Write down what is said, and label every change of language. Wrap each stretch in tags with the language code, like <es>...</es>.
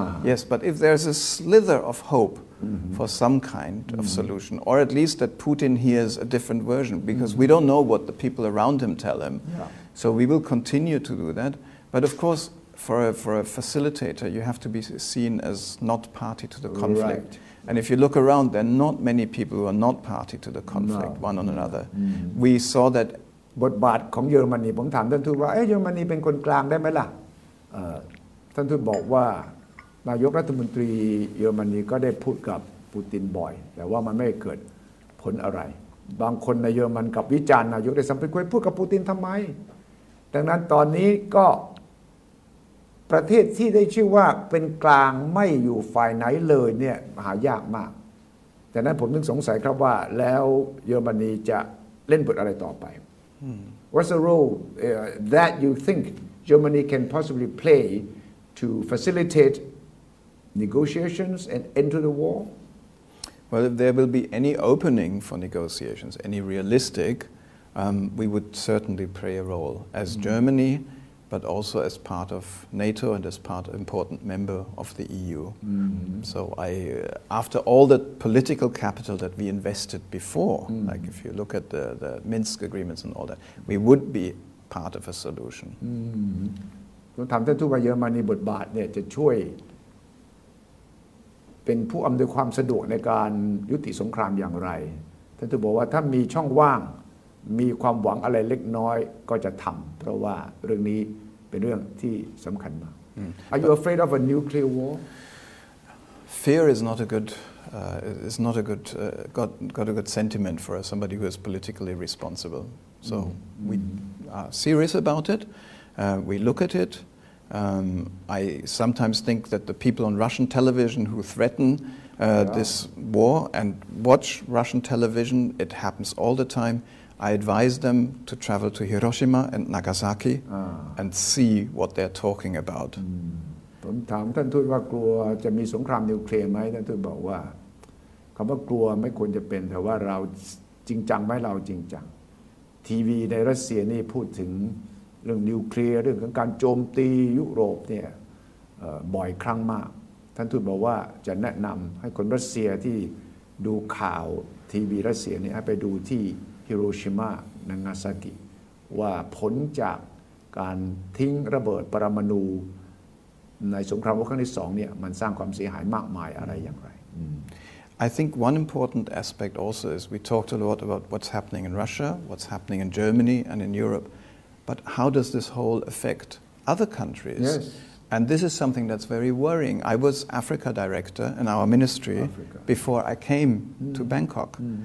<en>Yes, but if there's a slither of hope for some kind of solution, or at least that Putin hears a different version, because we don't know what the people around him tell him. So we will continue to do that. But of course, for a facilitator, you have to be seen as not party to the conflict. Right. And if you look around, there are not many people who are not party to the conflict, one on another. We saw that...</en> <th>บทบาทของเยอรมนีผมถามท่านทูตว่าเอ๊ะเยอรมนีเป็นคนกลางได้ไหมล่ะท่านทูตบอกว่านายกรัฐมนตรีเยอรมนีก็ได้พูดกับปูตินบ่อยแต่ว่ามันไม่เกิดผลอะไรบางคนในเยอรมันกับวิจารณ์นายกได้สัมผัสคุยพูดกับปูตินทำไมดังนั้นตอนนี้ก็ ประเทศที่ได้ชื่อว่าเป็นกลางไม่อยู่ฝ่ายไหนเลยเนี่ยหายากมากแต่นั้นผมถึงสงสัยครับว่าแล้วเยอรมนีจะเล่นบทอะไรต่อไป</th> <en>What's the role that you think Germany can possibly play to facilitate negotiations and enter the war? Well, if there will be any opening for negotiations, any realistic, we would certainly play a role as Germany. But also as part of NATO and as part of important member of the EU. So I, after all the political capital that we invested before, like if you look at the Minsk agreements and all that, we would be part of a solution.</en> <th>ผมถามท่านทูตว่าเยอรมนีบทบาทเนี่ยจะช่วยเป็นผู้อำนวยความสะดวกในการยุติสงครามอย่างไรท่านทูตบอกว่าถ้ามีช่องว่างมีความหวังอะไรเล็กน้อยก็จะทำเพราะว่าเรื่องนี้เป็นเรื่องที่สำคัญมาก</th> <en>Are you afraid of a nuclear war? Fear is not a good it's not a good got a good sentiment for somebody who is politically responsible. So we are serious about it. We look at it. I sometimes think that the people on Russian television who threaten this war and watch Russian television, it happens all the time. I advise them to travel to Hiroshima and Nagasaki and see what they're talking about.</en> <th>ผมถามท่านทูตว่ากลัวจะมีสงครามนิวเคลียร์ไหมท่านทูตบอกว่าคำว่ากลัวไม่ควรจะเป็นแต่ว่าเราจริงจังไหมเราจริงจังทีวีในรัสเซียนี่พูดถึงเรื่องนิวเคลียร์เรื่องของการโจมตียุโรปเนี่ย บ่อยครั้งมากท่านทูตบอกว่าจะแนะนำให้คนรัสเซียที่ดูข่าวทีวีรัสเซียนี่ให้ไปดูที่ฮิโรชิมานางาซากิว่าผลจากการทิ้งระเบิดปรมาณูในสงครามโลกครั้งที่สองเนี่ยมันสร้างความเสียหายมากมายอะไรอย่างไร</th> <en>I think one important aspect also is we talked a lot about what's happening in Russia, what's happening in Germany and in Europe, but how does this whole affect other countries? Yes. And this is something that's very worrying. I was Africa director in our ministry before I came to Bangkok.</en>